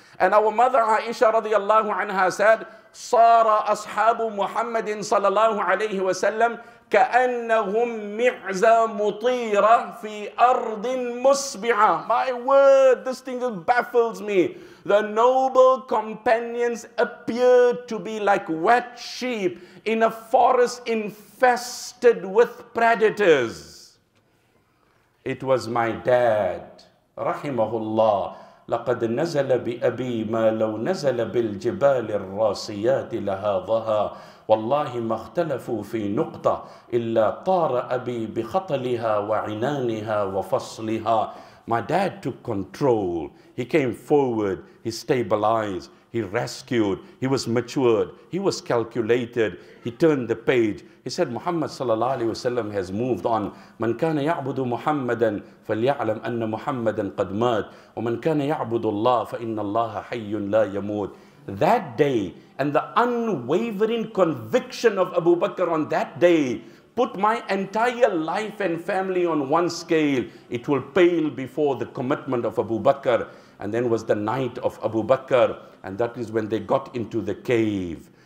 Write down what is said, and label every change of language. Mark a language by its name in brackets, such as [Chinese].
[English] And our mother Aisha radiallahu anha said, [Arabic] صَارَ أَصْحَابُ مُحَمَّدٍ صَلَى اللَّهُ عَلَيْهِ وَسَلَّمْ كَأَنَّهُمْ مِعْزَى مُطِيرًا فِي أَرْضٍ مُسْبِعًا. [English] My word, this thing baffles me. The noble companions appeared to be like wet sheep in a forest infested with predators. It was my dad, rahimahullah. [Arabic] لقد نزل بأبي ما لو نزل بالجبال الراسيات لهذا والله ما اختلفوا في نقطة إلا طار أبي بخطلها وعنانها وفصلها. [English] My dad took control. He came forward. He stabilized. He rescued. He was matured. He was calculated. He turned the page. He said, Muhammad sallallahu alayhi wa sallam has moved on. [Arabic] من كان يعبد محمدا فليعلم أن محمدا قد مات ومن كان يعبد الله فإن الله حي لا يموت. [English] That day and the unwavering conviction of Abu Bakr on that day put my entire life and family on one scale. It will pale before the commitment of Abu Bakr. And then was the night of Abu Bakr. And that is when they got into the cave.